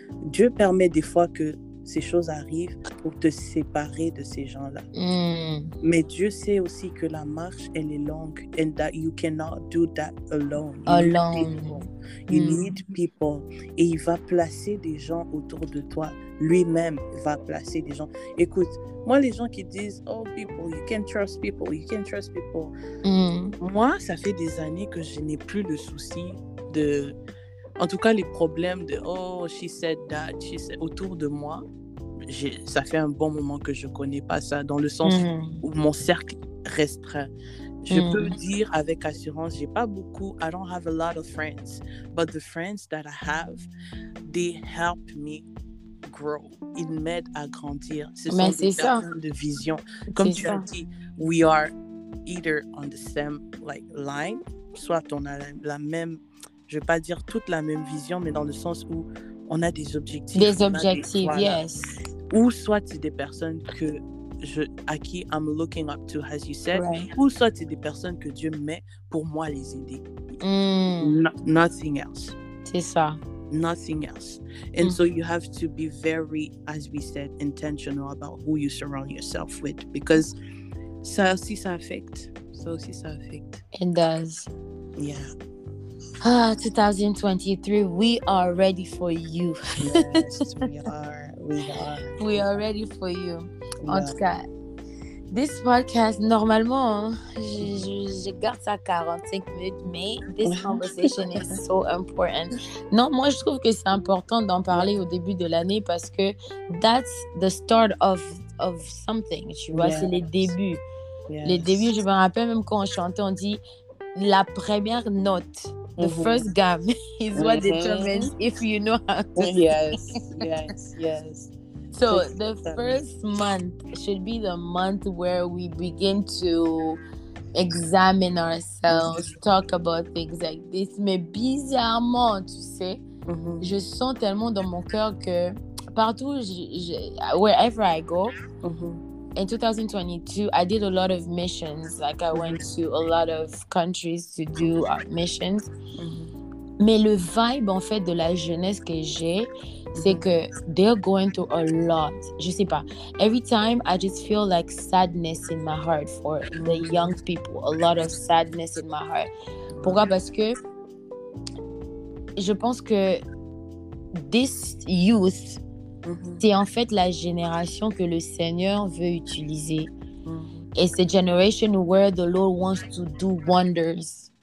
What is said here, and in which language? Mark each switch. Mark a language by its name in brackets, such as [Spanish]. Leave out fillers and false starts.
[French] Dieu permet des fois que ces choses arrivent pour te séparer de ces gens-là. Mais Dieu sait aussi que la marche, elle est longue, [English] and that you cannot do that alone. You need people. [French] Et il va placer des gens autour de toi. Lui-même va placer des gens. Écoute, moi, les gens qui disent, [English] oh, people, you can't trust people, [French] you can't trust people. Moi, ça fait des années que je n'ai plus le souci de... En tout cas, les problèmes de « [English] oh, she said that [French] », autour de moi, ça fait un bon moment que je ne connais pas ça, dans le sens où mon cercle restreint. Je peux dire avec assurance, je n'ai pas beaucoup, I don't have a lot of friends, but the friends that I have, they help me grow. Ils m'aident à grandir. Ce Mais sont des personnes de vision. Comme c'est tu ça. As dit, we are either on the same like, line, soit on a la même... Je ne vais pas dire toute la même vision, mais dans le sens où on a des objectifs. Des objectifs, voilà. Yes. Ou soit c'est des personnes que à qui [English] I'm looking up to, as you said. Right. [French] Ou soit c'est des personnes que Dieu met pour moi les aider. [English] Nothing else. [French] C'est ça. [English] Nothing else. And so you have to be very, as we said, intentional about who you surround yourself with. [French] Because ça aussi, ça affecte. Ça aussi, ça affecte. [English] It does. Yeah. Ah, 2023, we are ready for you. Yes, we are. We are ready for you. Yeah. [French] En tout cas, [English] this podcast, [French] normalement, je garde ça 45 minutes, mais [English] this conversation is so important. [French] Non, moi, je trouve que c'est important d'en parler au début de l'année parce que [English] that's the start of something, [French] tu vois, c'est les débuts. [English] Yes. [French] Les débuts, je me rappelle même quand on chantait, on dit la première note. [English] The first gamme is what determines if you know how to sing. Yes. So the first month should be the month where we begin to examine ourselves, talk about things like this. [French] Mais bizarrement, tu sais, je sens tellement dans mon cœur que partout, [English] wherever I go, in 2022, I did a lot of missions. Like, I went to a lot of countries to do missions. [French] Mais le vibe, en fait, de la jeunesse que j'ai, c'est que [English] they're going through a lot. [French] Je sais pas. [English] Every time, I just feel like sadness in my heart for the young people. A lot of sadness in my heart. [French] Pourquoi? Parce que je pense que [English] this youth, mm-hmm. [French] c'est en fait la génération que le Seigneur veut utiliser. Mm-hmm. [English] It's the generation where the Lord wants to do wonders.